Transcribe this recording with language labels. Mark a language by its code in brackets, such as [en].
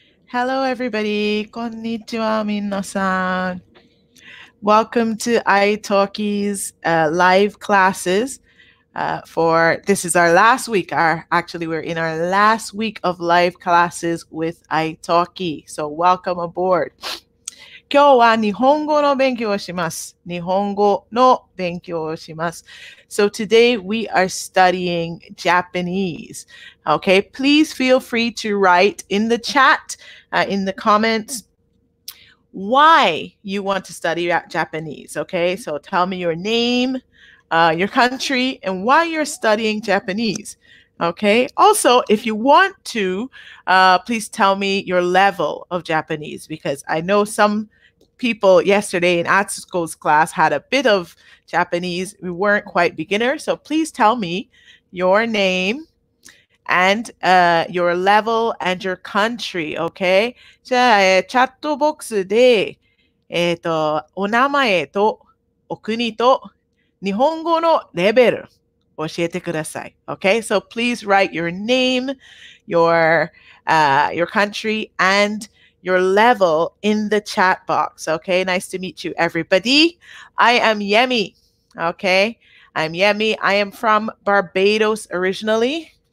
[en] Hello, everybody. [ja] Konnichiwa, minna-san. [en] Welcome to italki's live classes for this is our last week. We're in our last week of live classes with italki. So welcome aboard. [ja] 今日は日本語の勉強をします。日本語の勉強をします。 [en] So today we are studying Japanese. Okay, please feel free to write in the chat, in the comments, why you want to study Japanese, okay? So tell me your name, your country, and why you're studying Japanese, okay? Also, if you want to, please tell me your level of Japanese, because I know some people yesterday in Atsuko's class had a bit of Japanese. We weren't quite beginner, so please tell me your name, and your level and your country, okay? [ja] じゃあ、チャットボックスで、お名前とお国と日本語のレベル教えてください。 [en] Okay, so please write your name, your country, and your level in the chat box, okay? Nice to meet you, everybody. I am Yemi, okay? I'm Yemi. I am from Barbados originally.